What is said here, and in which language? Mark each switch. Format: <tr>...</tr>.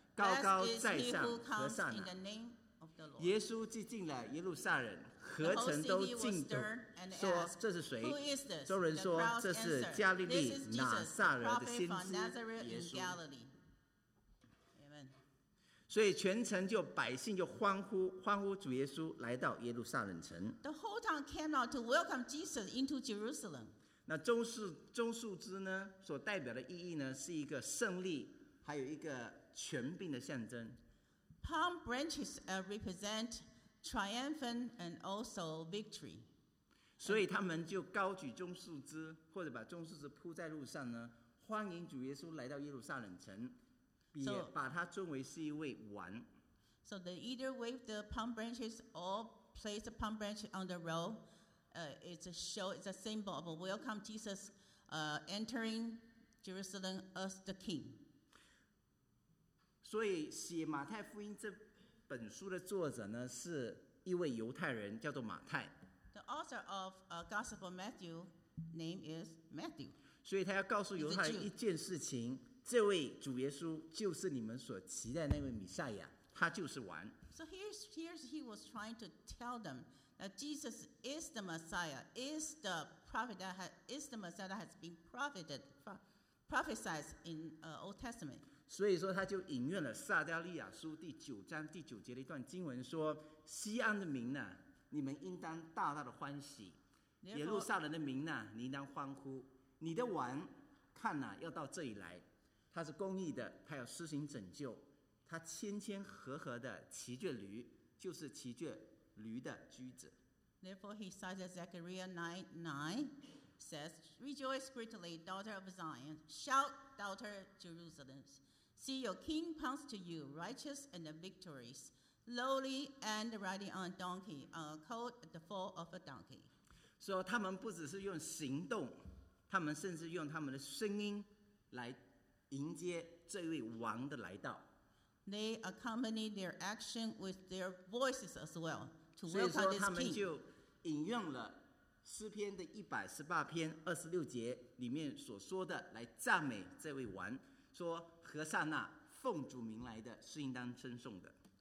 <zh>高高在上和撒那。耶稣既进了耶路撒冷，何城都进的，说这是谁？众人说这是加利利拿撒勒的先知耶稣。所以全城就百姓就欢呼，欢呼主耶稣来到耶路撒冷城。</zh> <en>The whole town came out to welcome Jesus into Jerusalem.</en> <zh>那棕树枝呢，所代表的意义呢，是一个胜利，还有一个权柄的象征。</zh> <en>Palm branches represent triumphant and also victory.</en> <zh>所以他们就高举棕树枝，或者把棕树枝铺在路上呢，欢迎主耶稣来到耶路撒冷城。也把他尊为是一位王。</zh> <en>So they either wave the palm branches or place the palm branch on the road. It's a show. It's a symbol of a welcome Jesus, entering Jerusalem as the king.</en> <zh>所以写马太福音这本书的作者呢，是一位犹太人，叫做马太。</zh> <en>The author of Gospel Matthew name is Matthew.</en> <zh>所以他要告诉犹太人一件事情。这位主耶稣就是你们所期待那位弥赛亚，他就是王。</zh> <en>So here's he was trying to tell them that Jesus is the Messiah, is the prophet that is the Messiah that has been prophesied in Old Testament.</en> <zh>所以说他就引用了撒加利亚书第九章第九节的一段经文，说：“西安的民呢，你们应当大大的欢喜；耶路撒冷的民呢，你应当欢呼。你的王，看哪、啊，要到这里来。” 他是公义的，他要施行拯救，他谦谦和和的骑着驴，就是骑着驴的驹子。</zh> <en>Therefore he cited Zechariah 9:9 says, Rejoice greatly, daughter of Zion, shout, daughter Jerusalem. See, your king comes to you, righteous and victorious, lowly and riding on donkey, a colt, the foal of a donkey.</en> <zh>所以他们不只是用行动，他们甚至用他们的声音来迎接这位王的来到。</zh> <en>They accompany their action with their voices as well to welcome this king.</en> <zh>所以说他们就引用了诗篇的118篇26节里面所说的，来赞美这位王，说何善那，奉主名来的是应当称颂的。</zh>